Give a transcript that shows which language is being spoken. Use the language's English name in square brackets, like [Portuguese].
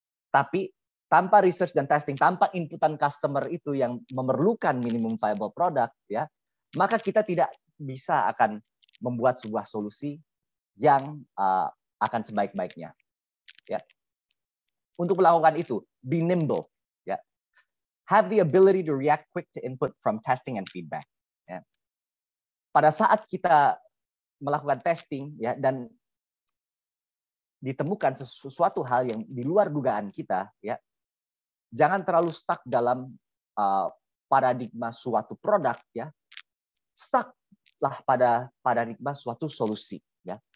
[Indonesian] Tapi tanpa research dan testing, tanpa inputan customer itu yang memerlukan minimum viable product ya, maka kita tidak bisa akan membuat sebuah solusi yang akan sebaik-baiknya. Ya. Untuk melakukan itu, [English] be nimble. [Indonesian] Ya. [English] Have the ability to react quick to input from testing and feedback. Ya. [Indonesian] Pada saat kita melakukan testing ya, dan ditemukan sesuatu hal yang di luar dugaan kita, ya, jangan terlalu stuck dalam paradigma suatu produk, ya. Stuck lah pada paradigma suatu solusi, ya.